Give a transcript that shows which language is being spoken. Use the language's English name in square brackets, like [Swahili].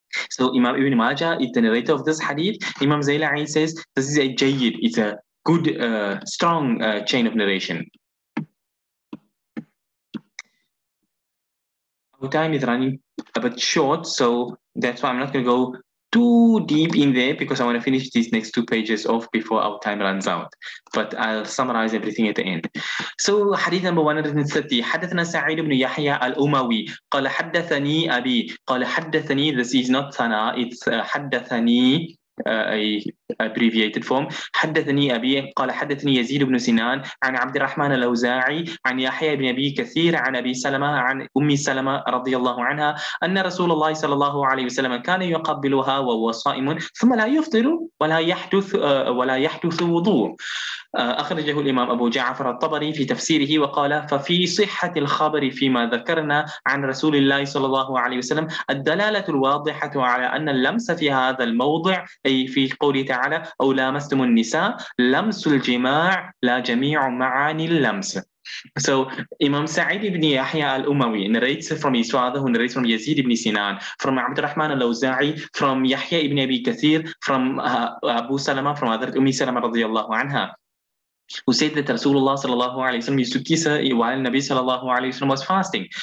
[English] So Imam Ibn Majah is the narrator of this hadith. Imam Zayla'i says this is a jayyid, it's a good, strong chain of narration. Time is running a bit short, so that's why I'm not going to go too deep in there, because I want to finish these next two pages off before our time runs out. But I'll summarize everything at the end. So hadith number 130, [Arabic] حدثنا سعيد بن يحيى الأموي قال حدثني أبي قال حدثني, [English] this is not [Arabic] ثناء, [English] it's [Arabic] حدثني, [English] abbreviated form. [Arabic] حدثني أبي قال حدثني يزيد بن سنان عن عبد الرحمن الأوزاعي عن يحيى بن أبي كثير عن أبي سلمة عن أم سلمة رضي الله عنها أن رسول الله صلى الله عليه وسلم كان يقبلها وهو صائم ثم لا يفطر ولا يحدث وضوء. أخرجه الإمام أبو جعفر الطبري في تفسيره وقال ففي صحة الخبر فيما ذكرنا عن رسول الله صلى الله عليه وسلم الدلالة الواضحة على أن اللمس في هذا الموضع أي في قوله تعالى أو لامستم النساء لمس الجماع لا جميع معاني اللمس. [English] So Imam Sa'id ibn Yahya al-Umawi narrates from his father, who narrates from Yazid ibn Sinan, from Abd al-Rahman al-Awza'i, from Yahya ibn Abi Kathir, from Abu Salama, from Hadrat Umi Salama radiallahu anha. who said that Rasulullah sallallahu alayhi wa sallam used to kiss her while Nabi sallallahu alayhi wa sallam was fasting.